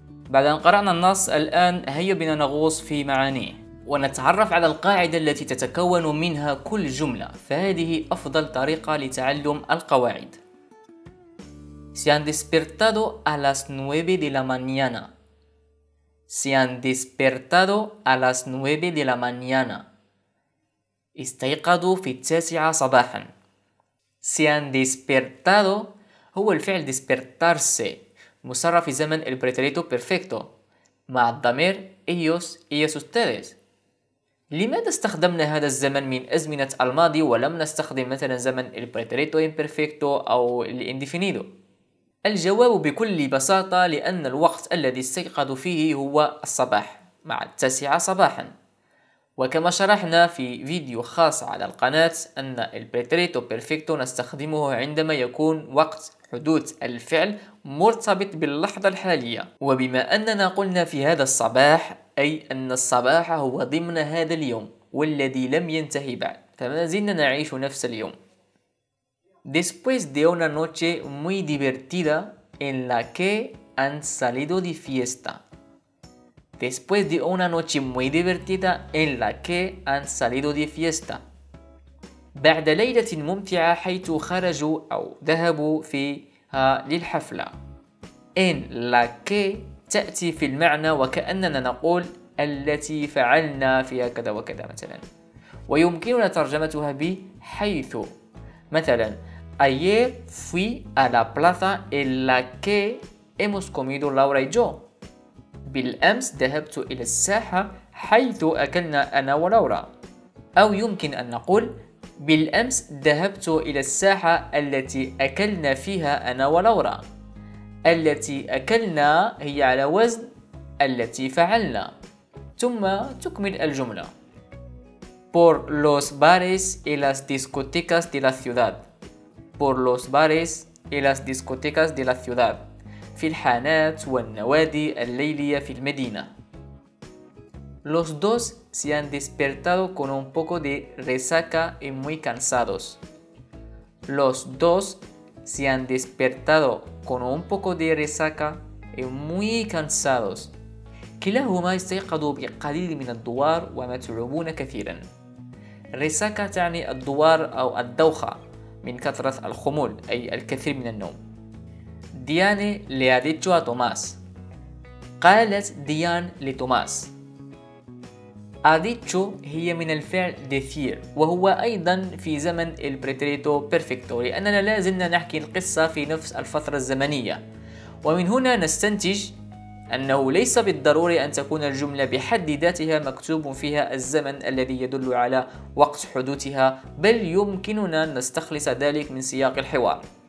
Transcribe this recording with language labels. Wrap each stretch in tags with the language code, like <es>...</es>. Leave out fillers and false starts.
<ar>بعد أن قرأنا النص الآن هيا بنا نغوص في معانيه ونتعرف على القاعدة التي تتكون منها كل جملة. فهذه أفضل طريقة لتعلم القواعد.</ar> <es>Se han despertado a las 9 de la mañana. Se han despertado a las 9 de la mañana.</es> <ar>استيقظوا في التاسعة صباحا.</ar> <es>Se han despertado</es> <ar>هو الفعل despertarse مسرع في زمن البريتريتو perfecto مع الضمير ellos, ellas, ustedes. لماذا استخدمنا هذا الزمن من أزمنة الماضي ولم نستخدم مثلا زمن البريتريتو imperfecto أو الانديفينيدو؟ الجواب بكل بساطة لأن الوقت الذي استيقظوا فيه هو الصباح مع التاسعة صباحا. وكما شرحنا في فيديو خاص على القناة أن البريتريتو بيرفكتو نستخدمه عندما يكون وقت حدوث الفعل مرتبط باللحظة الحالية. وبما أننا قلنا في هذا الصباح أي أن الصباح هو ضمن هذا اليوم والذي لم ينتهي بعد، فما زلنا نعيش نفس اليوم.</ar> <es>Después de una noche muy divertida en la que han salido de fiesta. Después de una noche muy divertida en la que han salido de fiesta.</es> <ar>بعد ليلة ممتعة حيث خرجوا أو ذهبوا فيها للحفلة.</ar> <es>En la que</es> <ar>تأتي في المعنى وكأننا نقول التي فعلنا فيها كذا وكذا مثلا، ويمكننا ترجمتها بحيث مثلا.</ar> <es>Ayer fui a la plaza en la que hemos comido Laura y yo.</es> <ar>بالأمس ذهبت إلى الساحة حيث أكلنا أنا ولورا. أو يمكن أن نقول بالأمس ذهبت إلى الساحة التي أكلنا فيها أنا ولورا. التي أكلنا هي على وزن التي فعلنا. ثم تكمل الجملة.</ar> <es>Por los bares y las discotecas de la ciudad. Por los bares y las discotecas de la ciudad.</es> <ar>في الحانات والنوادي الليلية في المدينة.</ar> <es>Los dos se han despertado con un poco de resaca y muy cansados. Los dos se han despertado con un poco de resaca y muy cansados.</es> <ar>كلاهما استيقظوا بقليل من الدوار ومتعبون كثيرا. Resaca تعني الدوار أو الدوخة من كثرة الخمول أي الكثير من النوم.</ar> <es>ديان le ha dicho a Tomás.</es> <ar>قالت ديان لتوماس. ha dicho هي من الفعل decir وهو أيضا في زمن el pretérito perfecto لأننا لا زلنا نحكي القصة في نفس الفترة الزمنية ومن هنا نستنتج أنه ليس بالضروري أن تكون الجملة بحد ذاتها مكتوب فيها الزمن الذي يدل على وقت حدوثها بل يمكننا نستخلص ذلك من سياق الحوار</ar>